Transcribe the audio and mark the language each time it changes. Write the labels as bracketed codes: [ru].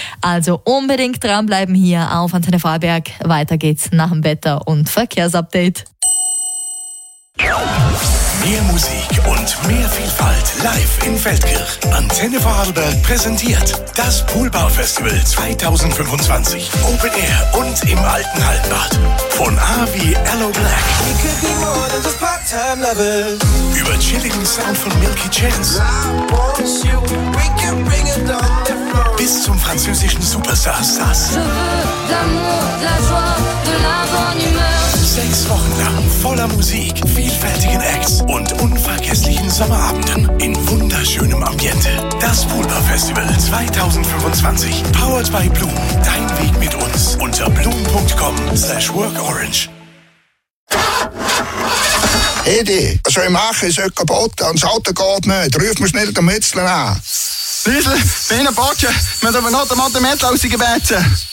[de] Also unbedingt dranbleiben hier auf Antenne Vorarlberg. Weiter geht's nach dem Wetter- und Verkehrsupdate. Mehr Musik und mehr Vielfalt live in Feldkirch. Antenne Vorarlberg präsentiert das Poolbar Festival 2025. Open Air und im alten Hallenbad. Von A wie Aloe Black. [en] We could be more than just part-time lovers. [de] Über chilligen Sound von Milky Chance. [en] I want you. We can bring it on the floor. [de] Bis zum französischen Superstar Sass. [fr] Je veux l'amour, la joie, de la bonne humeur. [de] 6 Wochen lang voller Musik, vielfältigen Acts und unvergesslichen Sommerabenden in wunderschönem Ambiente. Das Poolbar Festival 2025, powered by Bloom. Dein Weg mit uns unter bloom.com/workorange. Edi, was soll ich machen? Ist heute kaputt, das Auto geht nicht. Ruf mir schnell den Mützler an. Riesel, bin ein Batschen. Wir müssen noch den Mantel rausbeizen.